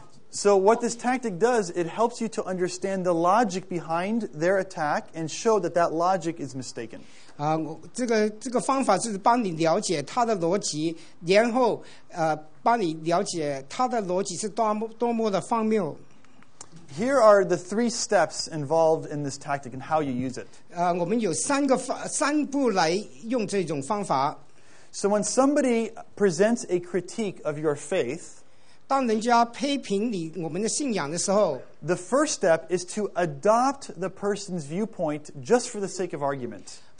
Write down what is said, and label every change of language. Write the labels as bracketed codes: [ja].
[en] So what this tactic does, it helps you to understand the logic behind their attack and show that that logic is mistaken. [zh] 这个方法就是帮你了解他的逻辑，然后帮你了解他的逻辑是多么的荒谬。 [en] Here are the three steps involved in this tactic and how you use it. [zh] 我们有三步来用这种方法。 [en] So when somebody presents a critique of your faith, [zh] 当人家批评你我们的信仰的时候, [en] the first step is to adopt the person's viewpoint just for the sake of argument.